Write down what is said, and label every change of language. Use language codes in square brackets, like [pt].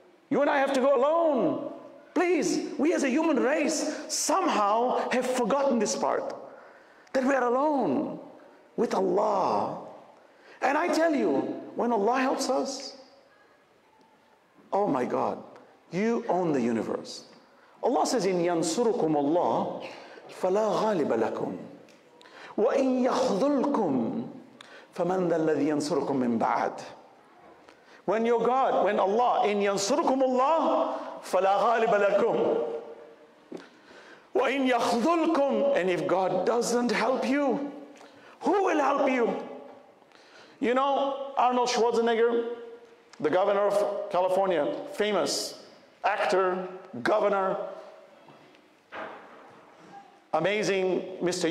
[en] You and I have to go alone. Please, we as a human race somehow have forgotten this part. That we are alone with Allah. And I tell you, when Allah helps us, oh my God, you own the universe. Allah says in [ar] Yansurukum Allah, فَلَا غَالِبَ لَكُمْ وَإِن يَخْذُلْكُمْ فَمَنْ ذَا الَّذِي يَنْصُرُكُمْ مِنْ بَعَدْ. [en] When your God, when Allah, [ar] إِن يَنْصُرُكُمُ اللَّهِ فَلَا غَالِبَ لَكُمْ وَإِن يَخْذُلْكُمْ. [en] And if God doesn't help you, who will help you? You know, Arnold Schwarzenegger, the governor of California, famous actor, governor, amazing Mr.